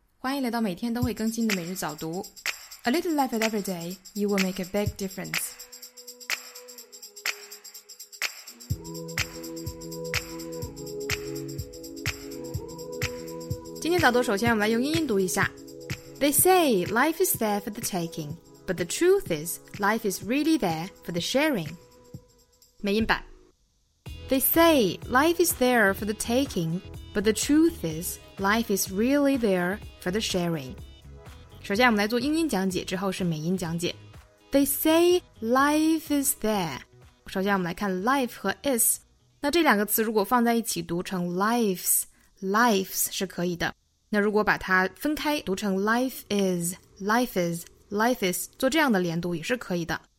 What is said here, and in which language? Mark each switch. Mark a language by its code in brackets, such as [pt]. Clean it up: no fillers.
[zh] 欢迎来到每天都会更新的每日早读。 [en] A little life at every day, you will make a big difference. [zh] 今天早读首先我们来用英音读一下。 [en] They say life is there for the taking, but the truth is life is really there for the sharing. [zh] 美音版。 [en] They say life is there for the taking, but the truth is life is really there for the sharing. [zh] 首先我们来做英音讲解，之后是美音讲解。 [en] They say life is there. [zh] 首先我们来看 life 和 is. 那这两个词如果放在一起读成 lives, lives 是可以的。那如果把它分开读成 life is, life is, life is, 做这样的连读也是可以的。